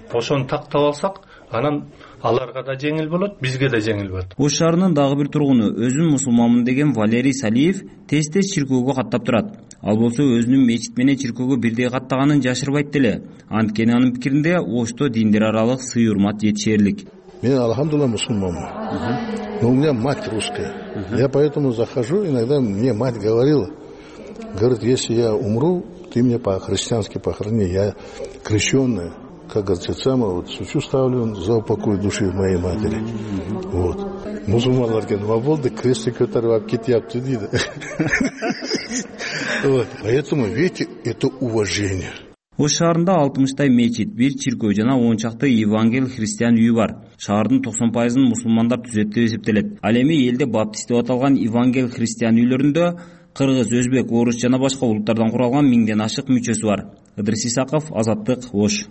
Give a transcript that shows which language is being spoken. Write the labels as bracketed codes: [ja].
[ky] Ошону тактап алсак, анан аларга да жеңил болот, бизге да жеңил болот. Ош шаарынын дагы бир тургуну, өзүн мусулманмын деген Валерий Салиев тез-тез чиркөөгө каттап турат. Ал болсо өзүнүн мечит менен чиркөөгө бирдей каттаганын жашырбайт деле. Анткени анын пикиринде Ошто диндер аралык сый урмат жетишерлик. Мен алхамдулла мусулман. [ru] Но у меня мать русская. Я поэтому захожу, иногда мне мать говорила: "Говорит, если я умру, ты меня по-христиански похорони, я крещённый, как говорится, сама вот свечу ставлю за упокой души моей матери". Вот. [ky] Мусулманлар кен болду, крести көтөрүп алып кетипти дейди. [ru] Вот. Поэтому, видите, это уважение. [ky] Ош шаарында 60 мечит, 1 чиркөө жана 10 чакты Евангел христиан үйү бар. Шаардын 90% мусулмандар түзөт деп эсептелет. Ал эми элде баптист деп аталган Евангел христиан үйлөрүндө кыргыз, өзбек, орус жана башка улуттардан куралган миңден ашык мүчөсү бар. Ыдырыс Исаков, Азаттык, Ош.